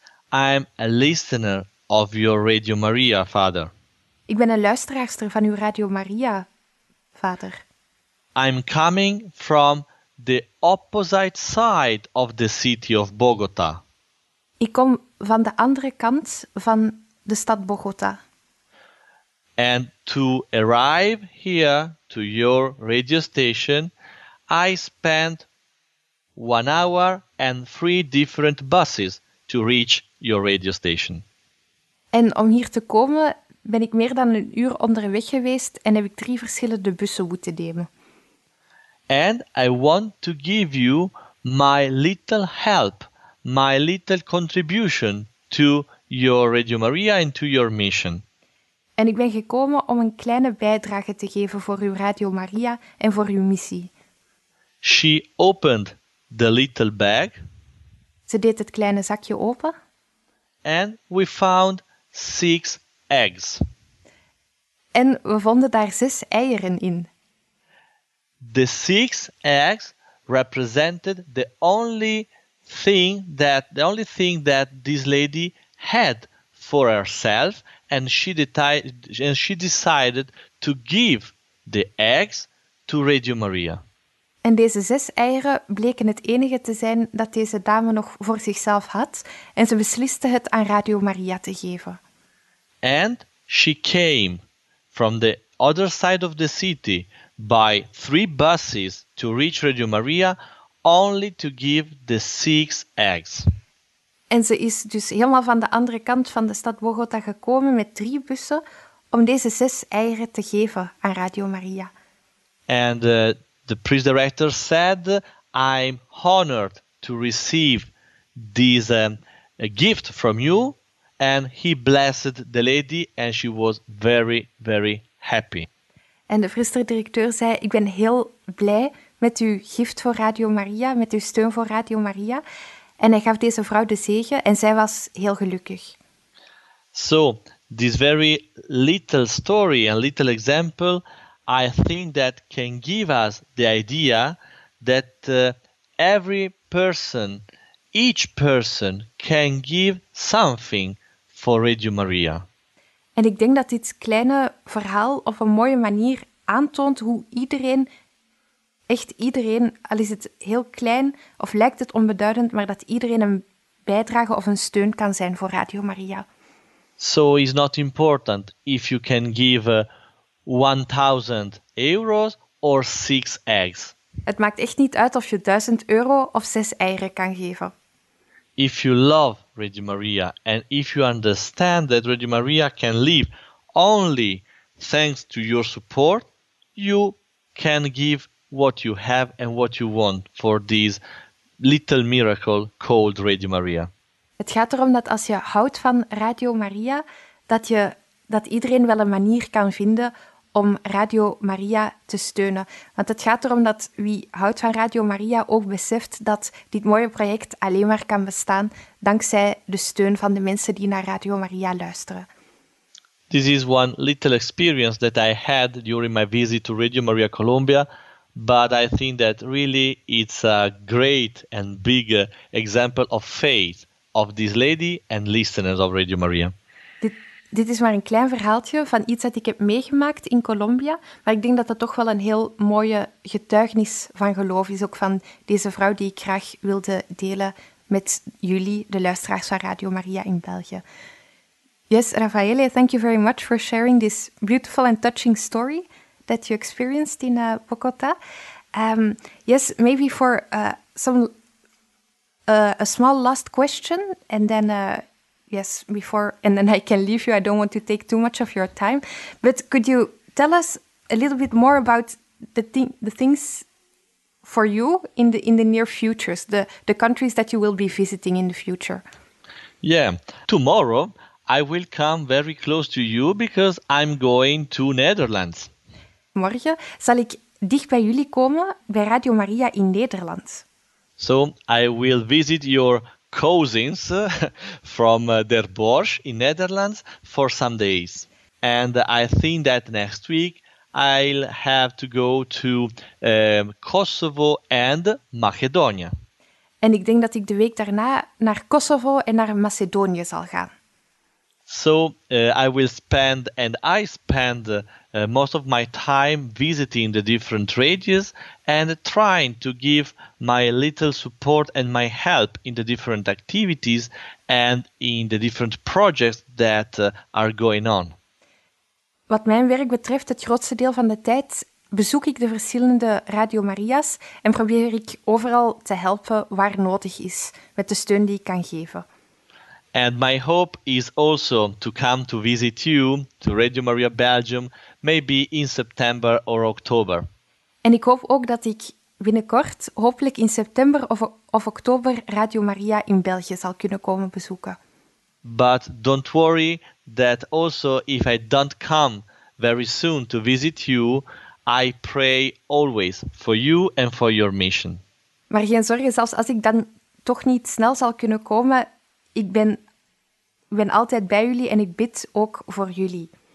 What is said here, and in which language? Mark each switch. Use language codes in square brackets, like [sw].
[en] "I'm a listener of your Radio Maria, father." [nl] Ik ben een luisteraarster van uw Radio Maria, vader. [en] "I'm coming from the opposite side of the city of Bogota." [nl] Ik kom van de andere kant van de stad Bogota. [en] "And to arrive here to your radio station, I spent 1 hour and 3 different buses to reach your radio station." [nl] En om hier te komen ben ik meer dan 1 uur onderweg geweest en heb ik 3 verschillende bussen moeten nemen. [en] "And I want to give you my little help, my little contribution to your Radio Maria and to your mission." [nl] En ik ben gekomen om een kleine bijdrage te geven voor uw Radio Maria en voor uw missie. [en] She opened the little bag. [nl] Ze deed het kleine zakje open. [en] "And we found 6 eggs." [nl] En we vonden daar 6 eieren in. [en] "The 6 eggs represented the only thing that this lady had for herself, and she decided to give the eggs to Radio Maria." [nl] En deze 6 eieren bleken het enige te zijn dat deze dame nog voor zichzelf had, en ze besliste het aan Radio Maria te geven. [en] "And she came from the other side of the city by 3 buses to reach Radio Maria only to give the 6 eggs." [nl] En ze is dus helemaal van de andere kant van de stad Bogota gekomen met 3 bussen om deze 6 eieren te geven aan Radio Maria. [en] "And the priest director said, I'm honored to receive this gift from you." And he blessed the lady and she was very, very happy. [nl] En de priester directeur zei, ik ben heel blij met uw gift voor Radio Maria, met uw steun voor Radio Maria. En hij gaf deze vrouw de zegen en zij was heel gelukkig. [en] So, this very little story, a little example, I think that can give us the idea that every person, each person can give something for Radio Maria. [nl] En ik denk dat dit kleine verhaal op een mooie manier aantoont hoe iedereen, echt iedereen, al is het heel klein of lijkt het onbeduidend, maar dat iedereen een bijdrage of een steun kan zijn voor Radio Maria. [en] So it's not important if you can give 1000 euros or 6 eggs. [nl] Het maakt echt niet uit of je 1000 euro of 6 eieren kan geven. [en] If you love Radio Maria and if you understand that Radio Maria can live only thanks to your support, you can give what you have and what you want for this little miracle called Radio Maria. [nl] Het gaat erom dat als je houdt van Radio Maria, dat iedereen wel een manier kan vinden om Radio Maria te steunen. Want het gaat erom dat wie houdt van Radio Maria ook beseft dat dit mooie project alleen maar kan bestaan dankzij de steun van de mensen die naar Radio Maria luisteren. [en] This is one little experience that I had during my visit to Radio Maria Colombia, but I think that really it's a great and big example of faith of this lady and listeners of Radio Maria. [nl] Dit is maar een klein verhaaltje van iets dat ik heb meegemaakt in Colombia, maar ik denk dat dat toch wel een heel mooie getuigenis van geloof is, ook van deze vrouw die ik graag wilde delen met jullie, de luisteraars van Radio Maria in België. [en] Yes, Raffaele, thank you very much for sharing this beautiful and touching story that you experienced in Bogota. Yes, maybe for a small last question and then... Yes, before, and then I can leave you. I don't want to take too much of your time. But could you tell us a little bit more about the things for you in the near futures, the countries that you will be visiting in the future? Yeah, tomorrow I will come very close to you because I'm going to Netherlands. [nl] Morgen zal ik dicht bij jullie komen, bij Radio Maria in Nederland. [en] So I will visit your cousins from Der Bosch in Netherlands for some days. And I think that next week I'll have to go to Kosovo and Macedonia. [nl] En ik denk dat ik de week daarna naar Kosovo en naar Macedonië zal gaan. [en] So, I spend most of my time visiting the different radios and trying to give my little support and my help in the different activities and in the different projects that are going on. [nl] Wat mijn werk betreft, het grootste deel van de tijd bezoek ik de verschillende Radio Maria's en probeer ik overal te helpen waar nodig is, met de steun die ik kan geven. [en] And my hope is also to come to visit you, to Radio Maria Belgium, maybe in September or October. [nl] En ik hoop ook dat ik binnenkort, hopelijk in september of oktober, Radio Maria in België zal kunnen komen bezoeken. [en] But don't worry that also if I don't come very soon to visit you, I pray always for you and for your mission. [nl] Maar geen zorgen, zelfs als ik dan toch niet snel zal kunnen komen, ik ben altijd bij jullie en ik bid ook voor jullie.